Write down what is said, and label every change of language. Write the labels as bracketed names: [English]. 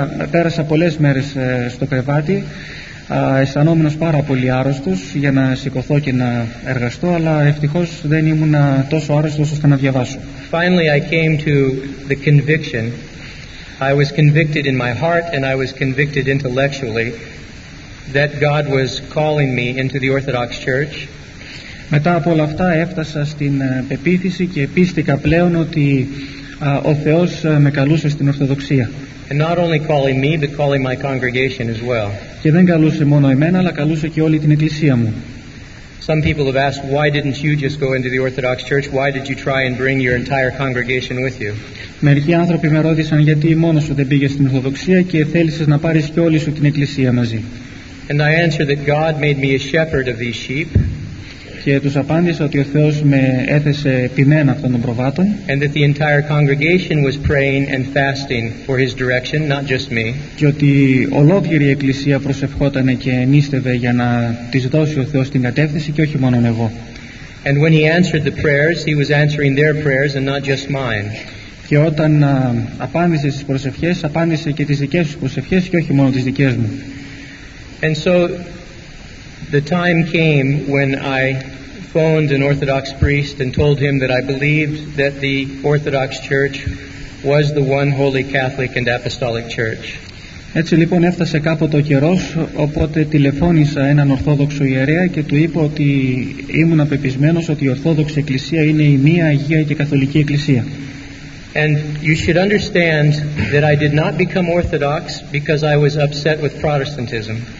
[Greek] Πέρασα πολλές μέρες στο κρεβάτι, αισθανόμενος πάρα πολύ άρρωστος για να σηκωθώ και να εργαστώ, αλλά ευτυχώς δεν ήμουν τόσο άρρωστος ώστε να διαβάσω. [English] Finally, I came to the conviction. I was convicted in my heart and I was convicted intellectually that God was calling me into the Orthodox Church. [Greek] Μετά από όλα αυτά έφτασα στην πεποίθηση και πίστηκα πλέον ότι ο Θεός με καλούσε στην Ορθοδοξία. [English] And not only calling me, but calling my congregation as well. [Greek] Και δεν καλούσε μόνο εμένα, αλλά καλούσε και όλη την εκκλησία μου. [English] Some people have asked, why didn't you just go into the Orthodox Church? Why did you try and bring your entire congregation with you? [Greek] Μερικοί άνθρωποι με ρώτησαν γιατί μόνος σου δεν πήγες στην Ορθοδοξία και θέλησες να πάρεις και όλη σου την εκκλησία μαζί. [English] And I answered that God made me a shepherd of these sheep. [Greek] Και τους απάντησα ότι ο Θεός με έθεσε επιμένα αυτών των προβάτων. [English] And that the entire congregation was praying and fasting for his direction, not just me. [Greek] Και ότι ολόκληρη η εκκλησία προσευχόταν και νίστευε για να της δώσει ο Θεός την κατεύθυνση και όχι μόνο εγώ. [English] And when he answered the prayers, he was answering their prayers and not just mine. [Greek] Και όταν απάντησε στις προσευχές, απάντησε και τις δικές τους προσευχές και όχι μόνο τις δικές μου. [English] And so the time came when I phoned an Orthodox priest and told him that I believed that the Orthodox Church was the one Holy Catholic and Apostolic Church. [Greek] Έτσι λοιπόν έφτασε κάποτε ο καιρός, οπότε τηλεφώνησα έναν Ορθόδοξο ιερέα και του είπα ότι ήμουν απεπισμένος ότι η Ορθόδοξη Εκκλησία είναι η μία Αγία και Καθολική Εκκλησία. [English] And you should understand that I did not become Orthodox because I was upset with Protestantism.